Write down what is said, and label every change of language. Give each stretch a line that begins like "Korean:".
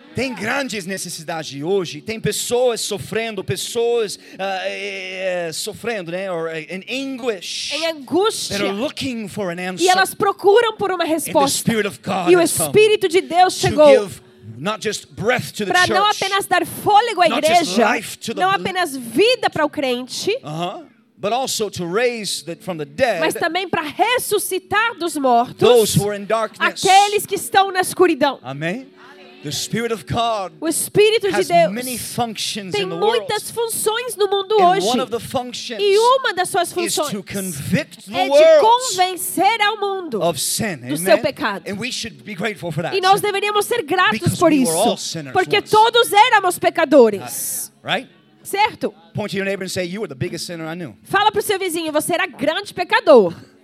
Portuguese: Tem grandes necessidades hoje. Tem pessoas sofrendo, pessoas sofrendo, né?
English: Or in anguish.
Portuguese: Em angústia.
English: That are looking for an answer.
Portuguese: E elas procuram por uma resposta.
English: And the Spirit of God
Portuguese: e o Espírito de Deus chegou.
English: Not just breath to the
Portuguese: church. Para não apenas dar fôlego à igreja. Não apenas vida para o crente.
English: But also to raise the, from the dead,
Portuguese: mas também para ressuscitar dos mortos.
English: Those who are in darkness.
Portuguese: Aqueles que estão na escuridão.
English: Amém. The Spirit of God
Portuguese: o Espírito
English: has
Portuguese: de Deus
English: many functions
Portuguese: tem
English: in the
Portuguese: muitas Funções no mundo
English: and
Portuguese: hoje.
English: One of the functions
Portuguese: e uma das suas funções
English: is to convict the
Portuguese: é de convencer ao mundo
English: of sin,
Portuguese: do
English: amen?
Portuguese: Seu pecado.
English: And we should be grateful for that.
Portuguese: E nós deveríamos ser gratos por
English: we
Portuguese: isso.
English: Were all sinners
Portuguese: porque todos éramos pecadores.
English: Right?
Portuguese: Certo?
English: Point to your neighbor and say, you were the biggest sinner I knew.
Portuguese: Fala para o seu vizinho, você era grande pecador.